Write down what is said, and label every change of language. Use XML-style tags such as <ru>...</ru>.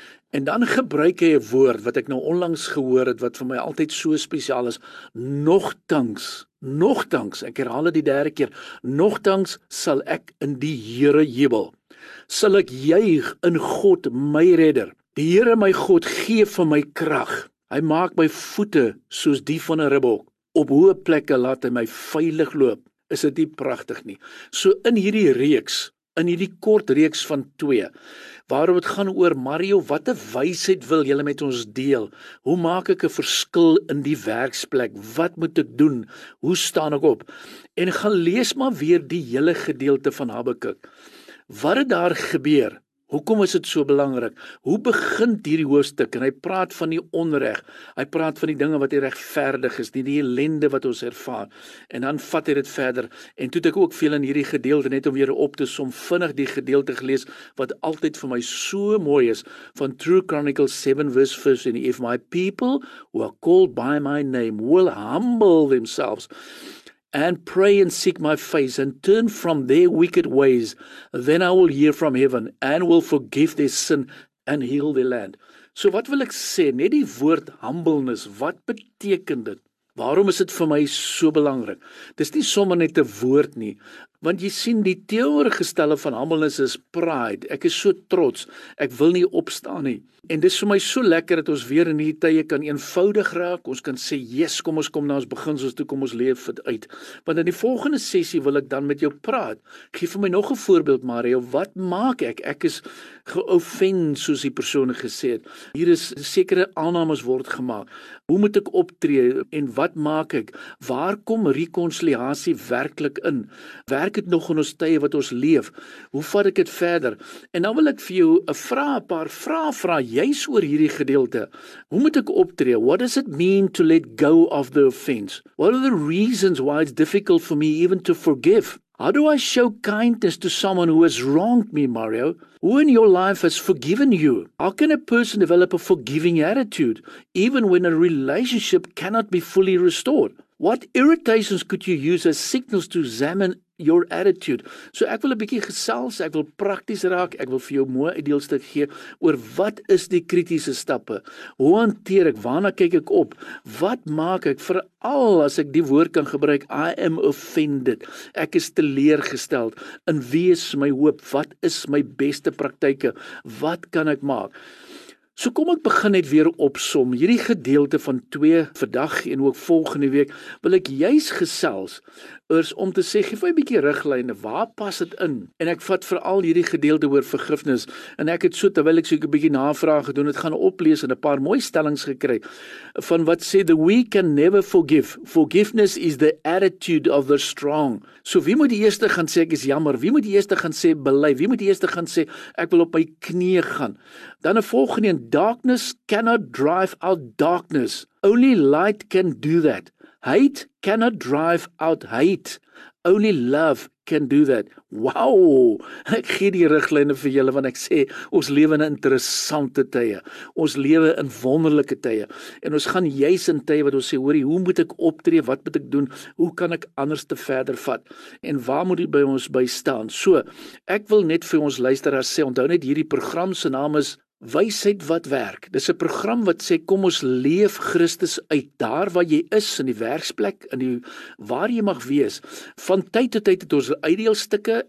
<af>En dan gebruik hy 'n woord wat ek nou onlangs gehoor het, wat vir my altyd so spesiaal is, nogtans, ek herhaal het die derde keer, nogtans sal ek in die Here jubel, sal ek juig in God my redder, die Here my God gee vir my krag, hy maak my voete soos die van 'n ribbok, op hoë plekke laat hy my veilig loop, is dit nie prachtig nie. So in hierdie reeks, in hierdie kort reeks van 2, waarom het gaan oor, Mario, wat 'n wysheid wil jy met ons deel? Hoe maak ek 'n verskil in die werksplek? Wat moet ek doen? Hoe staan ek op? En gaan lees maar weer die hele gedeelte van Habakuk. Wat het daar gebeur? Hoekom is dit so belangrik? Hoe begint hierdie hoofstuk? En hy praat van die onreg. Hy praat van die dinge wat hier regverdig is, die ellende wat ons ervaar. En dan vat hy dit verder. En toe het ek ook veel in hierdie gedeelte, net om weer op te som, vinnig die gedeelte gelees, wat altyd vir my so mooi is, van True Chronicles 7 verse 15.</af> <en>If my people who are called by my name will humble themselves, and pray and seek my face, and turn from their wicked ways, then I will hear from heaven, and will forgive their sin, and heal their land.</en> <af>So wat wil ek sê, net die woord humbleness, wat beteken dit? Waarom is dit vir my so belangrik? Dit is nie sommer net 'n woord nie, want jy sien die teenoorgestelde van humbleness is pride. Ek is so trots, ek wil nie opstaan nie. En dit is vir my so lekker dat ons weer in hierdie tye kan eenvoudig raak. Ons kan sê, "Jesus, kom ons kom na ons beginsels toe, kom ons leef dit uit." Want in die volgende sessie wil ek dan met jou praat. Ek gee vir my nog 'n voorbeeld, Mario, wat maak ek? Ek is geoffend, soos die persoon gesê het. Hier is sekere aannames word gemaak. Hoe moet ek optree en wat maak ek? Waar kom reconciliatie werklik in? Werk het nog in ons tye wat ons leef? Hoe vat ek het verder? En dan wil ek vir jou een paar vrae, juist oor hierdie gedeelte. Hoe moet ek optree?</af> <en>What does it mean to let go of the offense? What are the reasons why it's difficult for me even to forgive? How do I show kindness to someone who has wronged me, Mario? Who in your life has forgiven you? How can a person develop a forgiving attitude, even when a relationship cannot be fully restored? What irritations could you use as signals to examine your attitude?</en> <af>So ek wil 'n bietjie gesels, ek wil prakties raak, ek wil vir jou mooi ideelstuk gee oor wat is die kritiese stappe? Hoe hanteer ek? Waarna kyk ek op? Wat maak ek, veral as ek die woord kan gebruik,</af> <en>I am offended.</en> <af>Ek is teleurgesteld. In wie is my hoop? Wat is my beste praktyke? Wat kan ek maak? So kom ek begin net weer opsom. Hierdie gedeelte van 2 vandag en ook volgende week wil ek juis gesels oors om te sê, gee vir my 'n bietjie riglyne, waar pas dit in? En ek vat veral hierdie gedeelte oor vergifnis en ek het so terwyl ek so 'n bietjie navraag gedoen het, gaan oplees en 'n paar mooi stellings gekry van wat sê</af> <en>the weak can never forgive. Forgiveness is the attitude of the strong.</en> <af>So wie moet die eerste gaan sê ek is jammer? Wie moet die eerste gaan sê bely? Wie moet die eerste gaan sê ek wil op my knieë gaan? Dan 'n volgende en</af> <en>darkness cannot drive out darkness. Only light can do that. Hate cannot drive out hate. Only love can do that.</en> <af>Wow! Ek gee die riglyne vir julle, want ek sê, ons lewe in interessante tye. Ons lewe in wonderlike tye. En ons gaan juis in tye wat ons sê, hoorie, hoe moet ek optree? Wat moet ek doen? Hoe kan ek anders te verder vat? En waar moet die by ons by staan? So, ek wil net vir ons luisteraars sê, onthou net hierdie program se naam is Wysheid wat werk. Dis 'n program wat sê kom ons leef Christus uit daar waar jy is, in die werksplek, in die waar jy mag wees. Van tyd tot tyd het ons uitdeelstukke.</af>